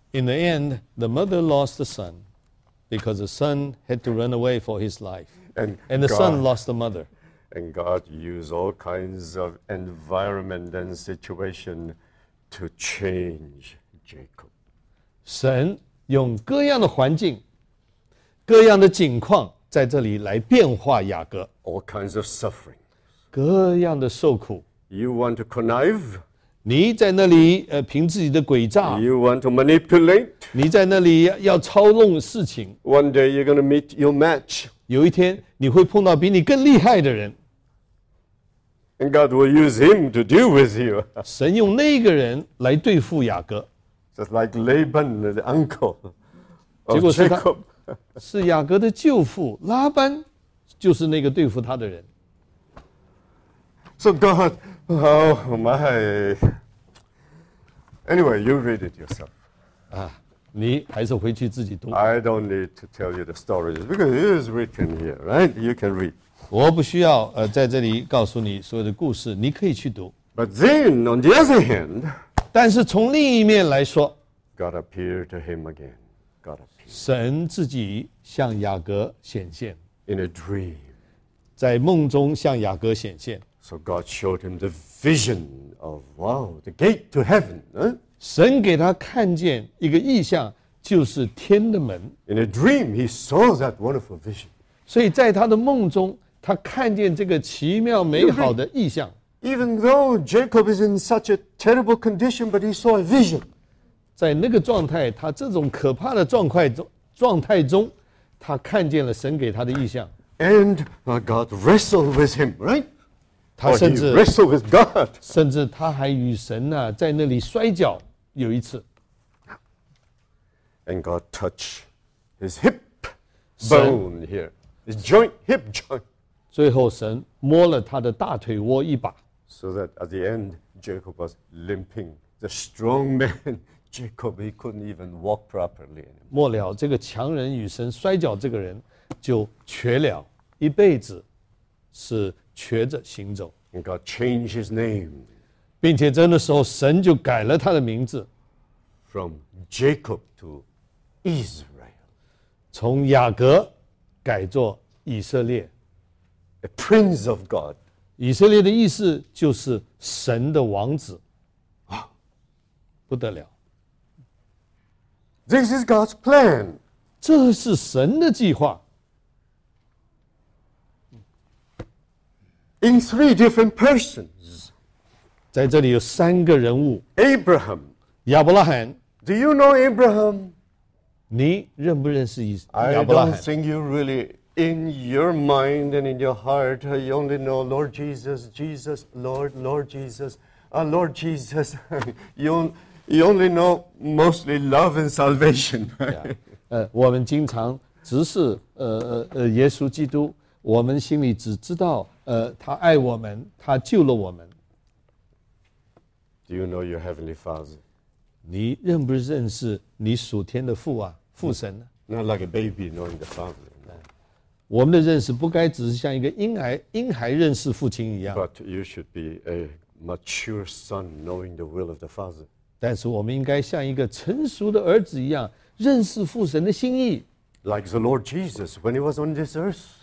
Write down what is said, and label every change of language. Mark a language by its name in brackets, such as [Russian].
[English] In the end, the mother lost the son. Because the son had to run away for his life. And the God, son lost the mother. And God used all kinds of environment and situation to change Jacob. [Chinese] 神用各样的环境,各样的境况在这里来变化雅各。 [English] All kinds of suffering. [Chinese] 各样的受苦。 [English] You want to connive? [Chinese] 你在那里凭自己的诡诈 [English] You want to manipulate [Chinese] 你在那里要操弄事情 [English] One day you're going to meet your match [Chinese] 有一天你会碰到比你更厉害的人 [English] And God will use him to deal with you [Chinese] 神用那个人来对付雅各 [English] Just like Laban, the uncle of Jacob [Chinese] 是雅各的舅父拉班，就是那个对付他的人。 [English] So God, oh my. Anyway, you read it yourself. [Chinese] 啊，你还是回去自己读。 [English] I don't need to tell you the stories because it is written here, right? You can read. [Chinese] 我不需要在这里告诉你所有的故事，你可以去读。 [English] But then, on the other hand, [Chinese] 但是从另一面来说 [English] ，God appeared to him again. God appeared. [Chinese] 神自己向雅各显现。 [English] In a dream, [Chinese] 在梦中向雅各显现。 [English] So God showed him the vision of wow, the gate to heaven. [Chinese] 神给他看见一个异象，就是天的门。 [English] In a dream, he saw that wonderful vision. [Chinese] 所以在他的梦中，他看见这个奇妙美好的异象。 [English] Even though Jacob is in such a terrible condition, but he saw a vision. [Chinese] 在那个状态，他这种可怕的状态中，他看见了神给他的异象。 [English] And God wrestled with him, right? [Chinese] 他甚至 [English] wrestled with God. [Chinese] 甚至他还与神呢、啊、在那里摔跤有一次。 [English] And God touched his hip bone here, his joint, hip joint. [Chinese] 最后神摸了他的大腿窝一把。 [English] So that at the end, Jacob was limping. The strong man, Jacob, he couldn't even walk properly. [Chinese] 末了，这个强人与神摔跤，这个人就瘸了，一辈子是瘸着行走。 [English] And God changed his name. [Chinese] 并且在那时候，神就改了他的名字。 [English] From Jacob to Israel. [Chinese] 从雅各改作以色列。 [English] A prince of God. [Chinese] 以色列的意思就是神的王子，啊，不得了。 [English] This is God's plan. [Chinese] 这是神的计划。 [English] In three different persons. [Chinese] 在这里有三个人物。 [English] Abraham. [Chinese] 亚伯拉罕。 [English] Do you know Abraham? [Chinese] 你认不认识亚伯拉罕？ [English] I don't think you really. In your mind and in your heart, you only know Lord Jesus, Jesus, Lord, Lord Jesus, Lord Jesus. you only know mostly love and salvation. Yeah. [Chinese] 我们经常只是耶稣基督，我们心里只知道他爱我们，他救了我们。 [English] Do you know your heavenly Father? [Chinese] 你认不认识你属天的父啊，父神呢？ [English] Not like a baby knowing the Father. [Chinese] 我们的认识不该只是像一个婴孩认识父亲一样。 [English] But you should be a mature son knowing the will of the Father. [Chinese] 但是我们应该像一个成熟的儿子一样认识父神的心意。 [English] Like the Lord Jesus when he was on this earth.